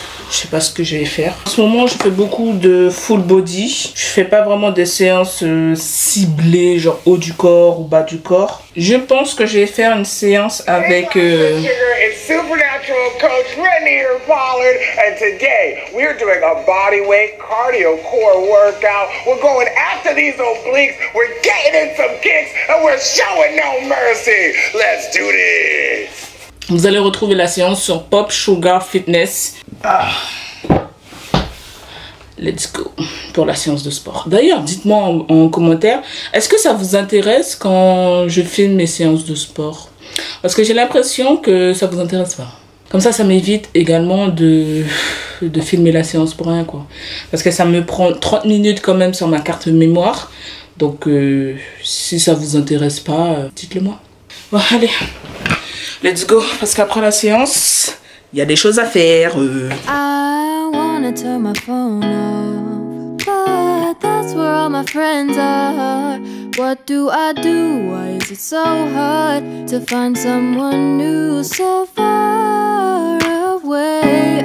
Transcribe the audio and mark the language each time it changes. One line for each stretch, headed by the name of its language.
French: Je sais pas ce que je vais faire. En ce moment, je fais beaucoup de full body. Je fais pas vraiment des séances ciblées, genre haut du corps ou bas du corps. Je pense que je vais faire une séance avec...
English: Supernatural coach Renier Pollard, and today we're doing a bodyweight cardio core workout. We're going after these obliques, we're getting in some kicks, and we're showing no mercy. Let's do this.
French: Vous allez retrouver la séance sur Pop Sugar Fitness. Ah.
English: Let's go
French: pour la séance de sport. D'ailleurs, dites-moi en commentaire, est-ce que ça vous intéresse quand je filme mes séances de sport? Parce que j'ai l'impression que ça vous intéresse pas. Comme ça, ça m'évite également de filmer la séance pour rien, quoi. Parce que ça me prend 30 minutes quand même sur ma carte mémoire. Donc, si ça vous intéresse pas, dites-le moi. Bon, allez,
English: let's go.
French: Parce qu'après la séance, il y a des choses à faire.
English: I wanna turn my phone off, but that's where all my friends are. What do? Why is it so hard to find someone new so far away?